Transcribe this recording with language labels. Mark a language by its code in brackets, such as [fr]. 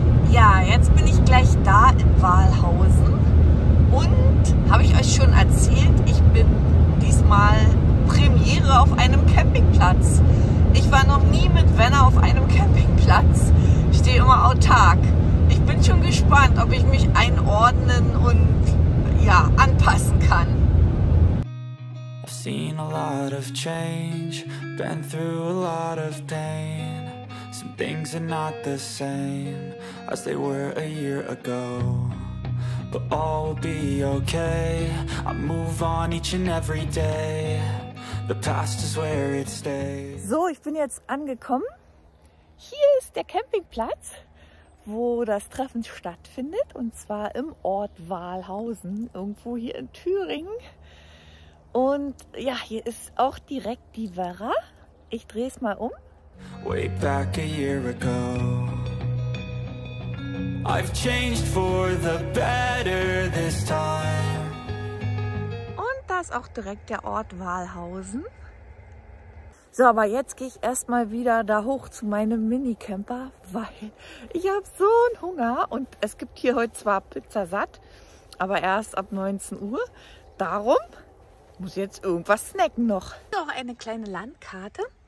[de] Ja, jetzt bin ich gleich da in Wahlhausen. Und habe ich euch schon erzählt, ich bin diesmal Premiere auf einem Campingplatz. Ich war noch nie mit Werner auf einem Campingplatz. Ich stehe immer autark. Ich bin schon gespannt, ob ich mich einordnen und ja, anpassen kann. [en] I've seen a lot of change, been through a lot of pain. Some things are not the same as they were a year ago. But all will be okay. I move on each and every day. The past is where it stays. [de] So, ich bin jetzt angekommen. Hier ist der Campingplatz, wo das Treffen stattfindet. Und zwar im Ort Wahlhausen, irgendwo hier in Thüringen. Und ja, hier ist auch direkt die Werra. Ich drehe es mal um. [en] Way back a year ago. I've changed for the better this time. [de] Ist auch direkt der Ort Wahlhausen. So, aber jetzt gehe ich erstmal wieder da hoch zu meinem Minicamper, weil ich habe so einen Hunger und es gibt hier heute zwar Pizza satt, aber erst ab 19 Uhr. Darum muss ich jetzt irgendwas snacken noch. Noch eine kleine Landkarte.